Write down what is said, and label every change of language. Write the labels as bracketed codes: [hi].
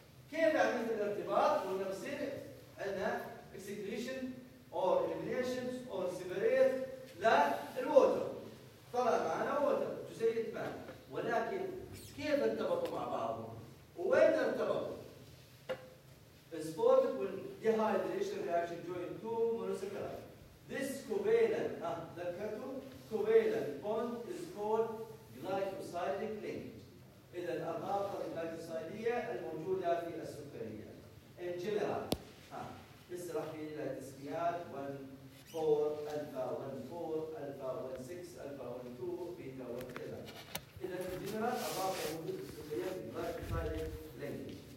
[ar] كيف عملية الارتباط؟ قلنا بصير عندنا اكسكريشن او اليمينيشن او سيبريت للووتر، طلع معنا ووتر جزيئة ماء، ولكن كيف ارتبطوا مع بعضهم؟ وين ارتبطوا؟ سبورت وين ديهايدريشن ريأكشن جوين تو مونوسكرايد. [en] This covalent [ar] ذكرتوا [en] covalent bond is called glycosidic link. [ar] إذا الرابطة الجلايكوسايدية الموجودة في السكرية إن جنرال بس راح يجي لها تسميات 1 4 ألفا 1 4 ألفا 1 6 ألفا 1 2 بيتا 1 كذا. إذا إن جنرال الرابطة الموجودة في السكرية في الجلايكوسايدية لينكج.